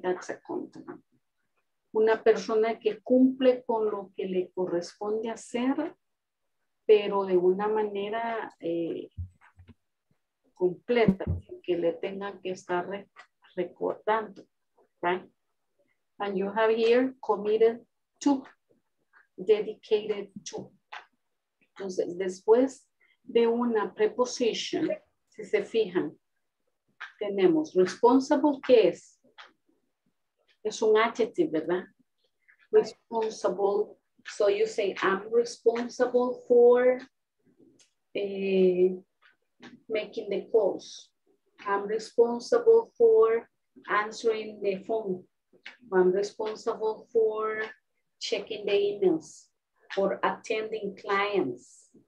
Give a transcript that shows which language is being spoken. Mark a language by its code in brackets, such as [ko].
[en] That's accountable. [es] Una persona que cumple con lo que le corresponde hacer, pero de una manera completa, que le tengan que estar recordando. [en] Right? And you have here committed to, dedicated to. [es] Entonces, después de una preposición, si se fijan, tenemos responsible, ¿qué es? Es un adjective, ¿verdad? Responsible. [en] So you say, I'm responsible for making the calls. I'm responsible for answering the phone. I'm responsible for checking the emails, for attending clients.